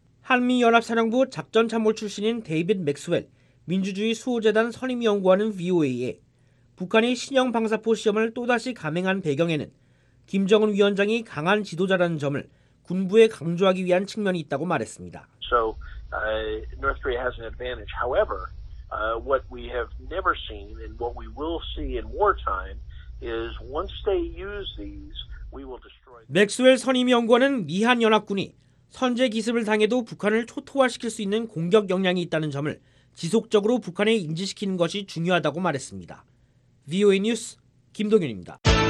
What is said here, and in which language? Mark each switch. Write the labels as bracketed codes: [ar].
[ko] 한미연합사령부 작전참모 출신인 데이빗 맥스웰, 민주주의 수호재단 선임연구원은 VOA에 북한이 신형 방사포 시험을 또다시 감행한 배경에는 김정은 위원장이 강한 지도자라는 점을 군부에 강조하기 위한 측면이 있다고 말했습니다. [en] So, North Korea has an advantage. However, what we have never seen and what we will see in wartime is once they use these, we will destroy. [ko] 맥스웰 선임연구원은 미한 연합군이 선제 기습을 당해도 북한을 초토화시킬 수 있는 공격 역량이 있다는 점을 지속적으로 북한에 인지시키는 것이 중요하다고 말했습니다. VOA 뉴스 김동윤입니다.